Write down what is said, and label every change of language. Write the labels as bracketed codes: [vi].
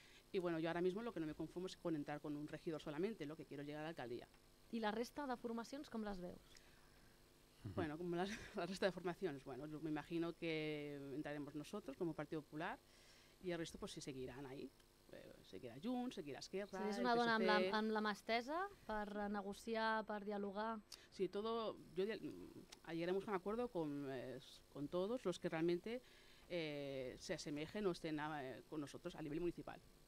[es] Y bueno, yo ahora mismo lo que no me conformo es con entrar con un regidor solamente, lo que quiero llegar a la alcaldía. [ca] ¿Y la resta de formacions com les veus? [es] Bueno, como la resta de formaciones, bueno, yo me imagino que entraremos nosotros como Partido Popular y el resto pues sí seguirán ahí, seguirá Junts, seguirá Esquerra, el PSC... [ca] Si és una dona amb la mà estesa per negociar, per dialogar... [es] Sí, todo... Yo, ayer hemos un acuerdo con todos los que realmente se asemejen o estén con nosotros a nivel municipal.